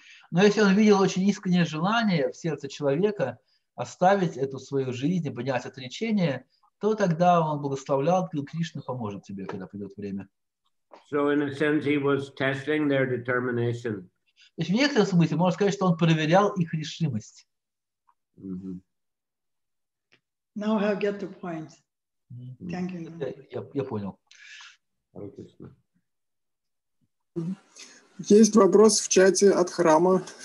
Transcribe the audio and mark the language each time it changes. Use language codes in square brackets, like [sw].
[ru] Но если он видел очень искреннее желание в сердце человека оставить эту свою жизнь и принять отречение, то тогда он благословлял, говорил, Кришна поможет тебе, когда придет время. [en] So in a sense he was testing their determination. [ru] То есть в некотором смысле можно сказать, что он проверял их решимость. [en] Mm-hmm. Now I get the point. Mm-hmm. Thank you. [ru] Я понял. Есть вопрос в чате от храма.